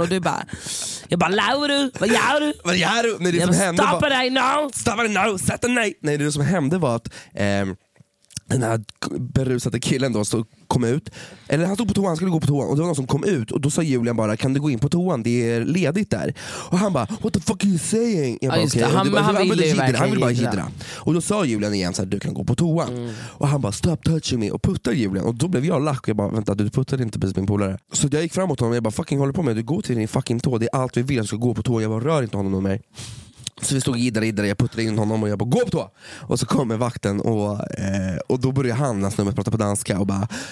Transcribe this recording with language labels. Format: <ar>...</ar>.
<sv>Och du bara, jag bara, Lauru, vad gör du? Vad gör du? Nej, det jag som hände</sv> <en>stop it right now. Stop it now,</en> <sv>sätt dig. Nej, det som hände var att den här berusade killen då så kom ut. Eller han stod på toan, han skulle gå på toan. Och det var någon som kom ut. Och då sa Julian bara, kan du gå in på toan? Det är ledigt där. Och han bara,</sv> <en>what the fuck are you saying?</en> <sv>Jag bara, okay. han ville bara hidra. Och då sa Julian igen så här, du kan gå på toan. Mm. Och han bara,</sv> <en>stop touching me.</en> <sv>Och puttar Julian. Och då blev jag lack. Och jag bara, vänta, du puttar inte precis min polare. Så jag gick framåt honom. Och jag bara, fucking håller på med. Du går till din fucking tå. Det är allt vi vill. Jag ska gå på toan. Jag bara, rör inte honom mer. Så vi stod idare, jag puttade in honom och jag bara, gå på tå! Och så kommer vakten och då börjar han när snubben prata på danska och bara...</sv>